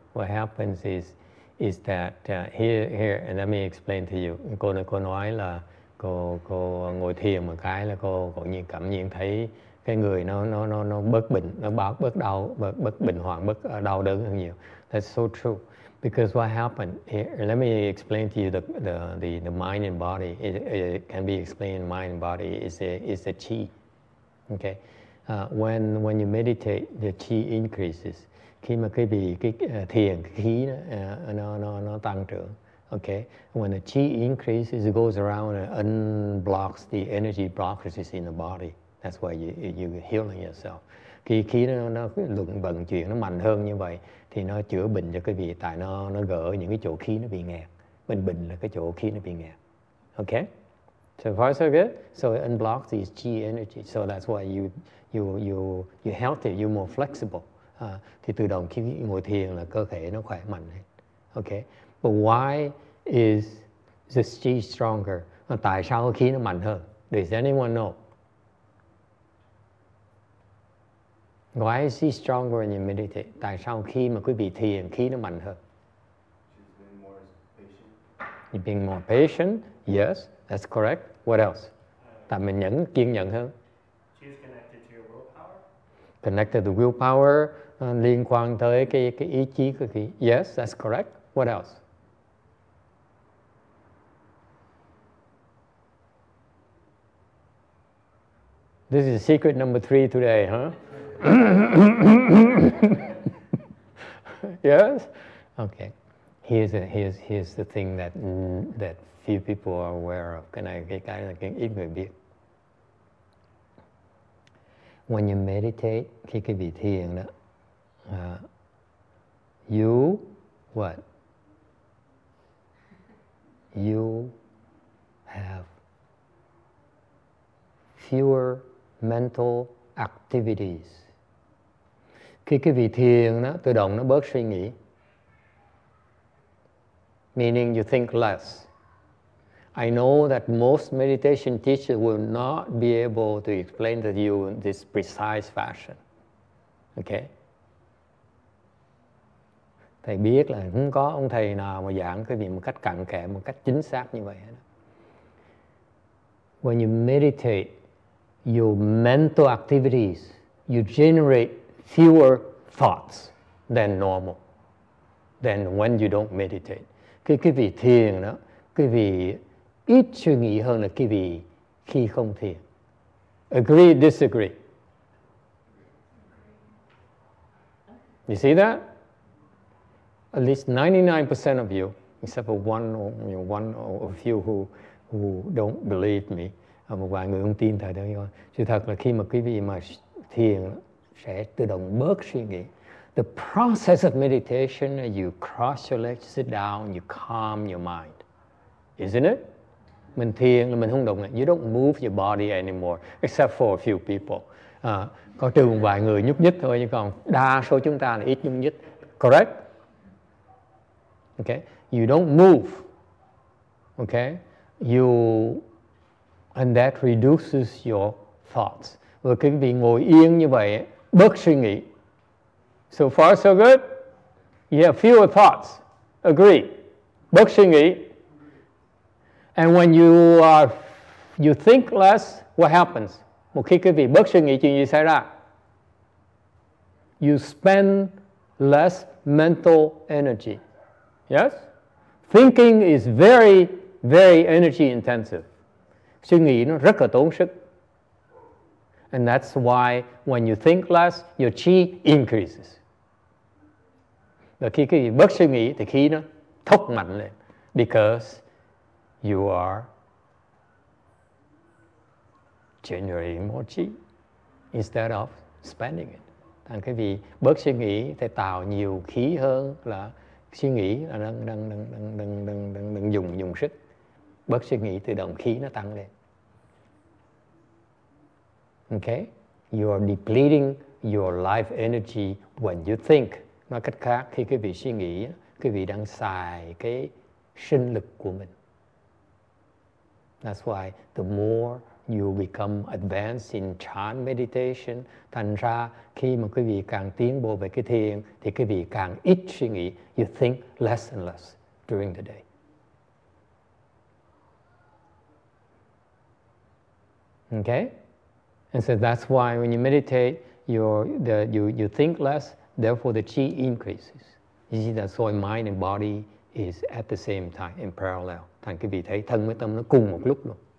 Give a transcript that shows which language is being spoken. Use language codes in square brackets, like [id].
[en] What happens is that here, and let me explain to you. [vi] Cô nói là cô ngồi thiền một cái là cô cũng như cảm nhận thấy cái người nó bớt bệnh, nó bớt bớt đau, bớt bệnh hoạn, bớt đau đớn hơn nhiều. [en] That's so true. Because what happened here, let me explain to you the mind and body. It can be explained mind and body is a qi. Okay. When you meditate, the qi increases. [vi] Khi mà cái thiền khí nó tăng trưởng. [en] Okay. When the qi increases, it goes around and unblocks the energy blockages in the body. That's why you healing yourself. [vi] Khi khí nó luận vận chuyển nó mạnh hơn như vậy thì nó chữa bệnh cho cái vị, tại nó gỡ những cái chỗ khí nó bị nghẹt. Bệnh bệnh là cái chỗ khí nó bị nghẹt. [en] Okay? So far so good. So it unblocks these qi energy. So that's why you healthy, you more flexible. [vi] Thì tự động khi ngồi thiền là cơ thể nó khỏe mạnh hết. [en] Okay? But why is the qi stronger? [vi] Tại sao khí nó mạnh hơn? [en] Does anyone know? Why is he stronger when you meditate? [vi] Tại sao khi mà quý vị thiền, khí nó mạnh hơn? [en] You're being more patient. Yes, that's correct. What else? [vi] Tại mình nhẫn, kiên nhẫn hơn. [en] She's connected to your willpower. Connected to willpower, [vi] liên quan tới cái ý chí của khí. [en] Yes, that's correct. What else? This is secret number 3 today, huh? Yes? Okay. Here's the thing that few people are aware of. Can I get kind of [vi] ít người biết? [en] When you meditate, [vi] khi cái vị thiền đó, [en] you have fewer mental activities. [vi] Khi cái vị thiền đó, tự động nó bớt suy nghĩ. [en] Meaning you think less. I know that most meditation teachers will not be able to explain to you in this precise fashion. Okay? [vi] Thầy biết là không có ông thầy nào mà giảng cái gì một cách cặn kẽ, một cách chính xác như vậy. [en] When you meditate, your mental activities, you generate fewer thoughts than normal, than when you don't meditate. [vi] Cái vị thiền đó, cái vị ít suy nghĩ hơn là cái vị khi không thiền. [en] Agree, disagree? You see that? At least 99% of you, except for one or a few who don't believe me, [vi] một vài người không tin thầy đâu. Chứ thật là khi mà quý vị mà thiền sẽ tự động bớt suy nghĩ. [en] The process of meditation, you cross your legs, sit down, you calm your mind. Isn't it? [vi] Mình thiền là mình không động. [en] You don't move your body anymore, except for a few people. [vi] Có trừ một vài người nhúc nhích thôi, nhưng còn đa số chúng ta là ít nhúc nhích. [en] Correct? Okay? You don't move. Okay? And that reduces your thoughts. [vi] Và cái vị ngồi yên như vậy, bớt suy nghĩ. [en] So far, so good? You have fewer thoughts. Agree. [vi] Bớt suy nghĩ. [en] And when you think less, what happens? [vi] Một khi cái vị bớt suy nghĩ, chuyện gì xảy ra? [en] You spend less mental energy. Yes? Thinking is very, very energy intensive. [vi] Suy nghĩ nó rất là tốn sức. [en] And that's why when you think less, your qi increases. [vi] Và khi cái bớt suy nghĩ thì khí nó thốc mạnh lên. [en] Because you are generating more chi instead of spending it. [vi] Thành cái vì bớt suy nghĩ thì tạo nhiều khí hơn là suy nghĩ là đừng dùng sức. Bớt suy nghĩ tự động khí nó tăng lên. [en] Okay, you are depleting your life energy when you think. [vi] Nói cách khác, khi quý vị suy nghĩ, quý vị đang xài cái sinh lực của mình. [en] That's why the more you become advanced in chan meditation, [vi] thành ra khi mà quý vị càng tiến bộ về cái thiền, thì quý vị càng ít suy nghĩ, [en] you think less and less during the day. Okay? And so that's why when you meditate, you think less, therefore the qi increases. You see that's why mind and body is at the same time, in parallel. [vi] Thành quý vị thấy thân với tâm nó cùng một lúc luôn.